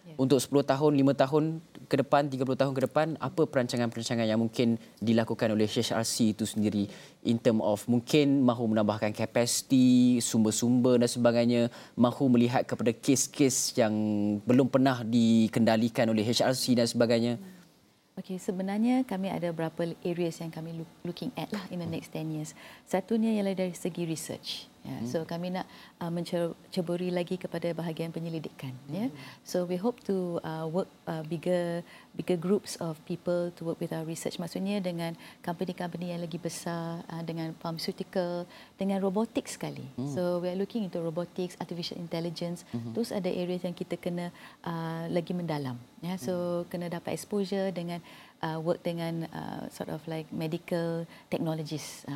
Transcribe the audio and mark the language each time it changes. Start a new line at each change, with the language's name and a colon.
Malay: Untuk 10 tahun, 5 tahun ke depan, 30 tahun ke depan, apa perancangan-perancangan yang mungkin dilakukan oleh HRC itu sendiri
English: in term of
Malay: mungkin mahu menambahkan kapasiti, sumber-sumber dan sebagainya, mahu melihat kepada kes-kes yang belum pernah dikendalikan oleh HRC dan sebagainya? Okey, sebenarnya kami ada beberapa areas yang kami
English: looking at
Malay: lah
English: in the next 10 years.
Malay: Satunya ialah dari segi research. So kami nak menceburi lagi kepada bahagian penyelidikan.
English: So we hope to work bigger groups of people to work with our research.
Malay: Maksudnya dengan company-company yang lagi besar, dengan pharmaceutical, dengan robotics sekali.
English: So we are looking into robotics, artificial intelligence. Those are the areas
Malay: yang kita kena lagi mendalam. Kena dapat exposure dengan
English: work dengan sort of like medical technologies.